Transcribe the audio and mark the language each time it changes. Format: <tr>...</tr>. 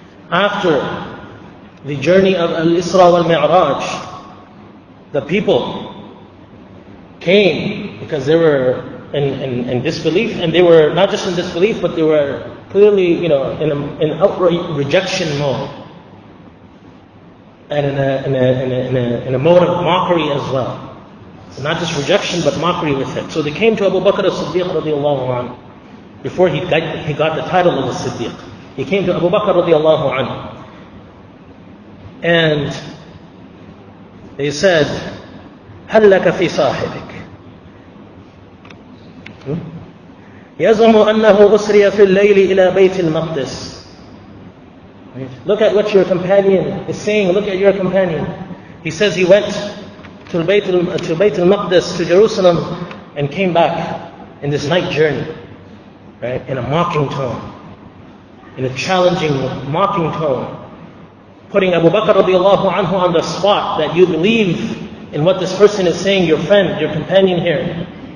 <en>After the journey of Al-Isra wal-Mi'raj, the people came because they were in disbelief, and they were not just in disbelief, but they were clearly, you know, in outright rejection mode, and in a mode of mockery as well. So not just rejection, but mockery with it. So they came to Abu Bakr as-Siddiq radiallahu anhu before he got the title of as-Siddiq. He came to Abu Bakr radiallahu anhu, and they said,</en> <ar>هل لك في صاحبك يزعم أنه أسري في الليل إلى بيت المقدس.</ar> <en>Look at what your companion is saying. Look at your companion. He says he went to Bayt al-Maqdis, to Jerusalem, and came back in this night journey, right? In a mocking tone, in a challenging, mocking tone, putting Abu Bakr radiallahu anhu on the spot, that you believe in what this person is saying, your friend, your companion here.</en>